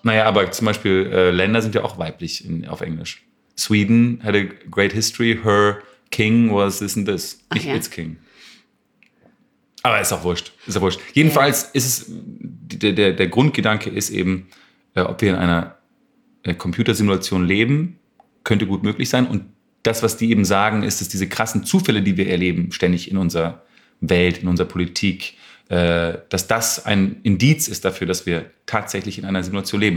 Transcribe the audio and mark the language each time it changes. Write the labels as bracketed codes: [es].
[de] Naja, aber zum Beispiel Länder sind ja auch weiblich auf Englisch. [en] Sweden had a great history. Her king was this and this. [de] Ach, nicht ja. [en] Its king. [de] Aber ist auch wurscht. Ist auch wurscht. Jedenfalls ja. Ist es, der Grundgedanke ist eben, ob wir in einer Computersimulation leben, könnte gut möglich sein. Und das, was die eben sagen, ist, dass diese krassen Zufälle, die wir erleben, ständig in unserer Welt, in unserer Politik, dass das ein Indiz ist dafür, dass wir tatsächlich in einer Simulation leben.